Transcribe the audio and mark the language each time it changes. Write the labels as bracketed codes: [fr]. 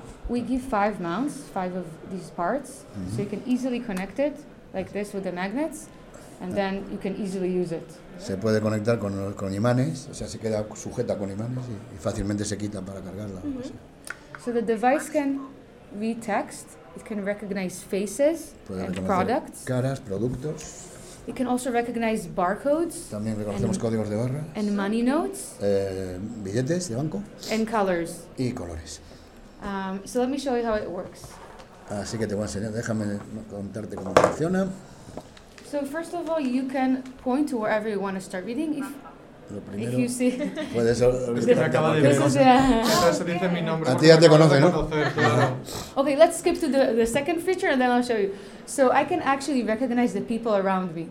[en] we give five mounts, five of these parts, mm-hmm. so you can easily connect it like this with the magnets, and then you can easily use it. [es] Se puede conectar con imanes, o sea, se queda sujeta con imanes y fácilmente se quita para cargarla. Mm-hmm. O sea. [en] So the device can read text. It can recognize faces [es] puede [en] and products. [es] Caras, productos. [en] It can also recognize barcodes. [es] También reconocemos códigos de barra. [en] And money notes. [es] Billetes de banco. [en] And colors. [es] Y colores. [en] So let me show you how it works. [es] Así que te voy a enseñar. Déjame contarte cómo funciona. [en] So first of all, you can point to wherever you want to start reading. If [es] lo primero, [en] if you see. [es] Puede ser. Acaba de ver. A ti ya te conoce, ¿no? [en] Okay, let's skip to the second feature and then I'll show you. So I can actually recognize the people around me.